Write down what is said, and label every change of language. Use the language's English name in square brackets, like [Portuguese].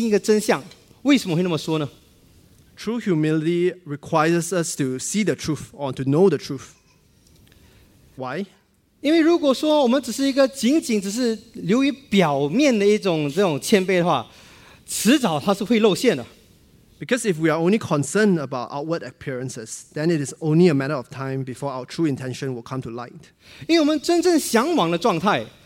[Chinese] 那么谦卑呢，真的很需要我们去认识真理，或者是看清一个真相。为什么会那么说呢？ [English] True humility requires us to see the truth or to know the truth. Why? [Chinese] 因为如果说我们只是一个仅仅只是流于表面的一种这种谦卑的话，迟早它是会露馅的。 [English] Because if we are only concerned about outward appearances, then it is only a matter of time before our true intention will come to light. [Chinese] 因为我们真正向往的状态。